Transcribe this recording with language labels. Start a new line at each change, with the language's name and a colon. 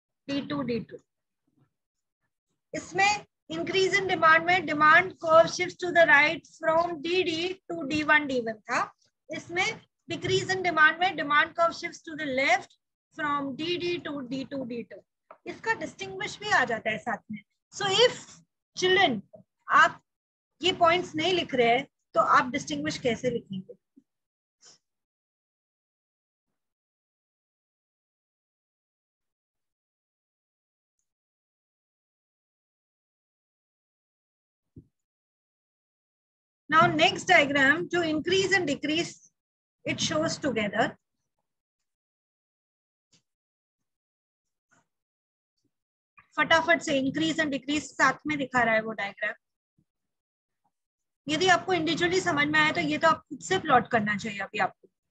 English: D2.
Hindi: इसमें
English: increase in demand में demand curve shifts to the right from DD to D1 था.
Hindi: इसमें
English: decrease in demand में demand curve shifts to the left from DD to D2.
Hindi: इसका distinguish भी आ जाता है साथ में.
English: So if children
Hindi: आप ये points नहीं लिख रहे हैं तो आप distinguish कैसे लिखेंगे?
English: Now next diagram to increase and decrease it shows together.
Hindi: फटाफट से increase and decrease साथ में दिखा रहा है वो diagram. यदि आपको individually समझ में आया तो ये तो आप खुद से plot करना चाहिए अभी आपको.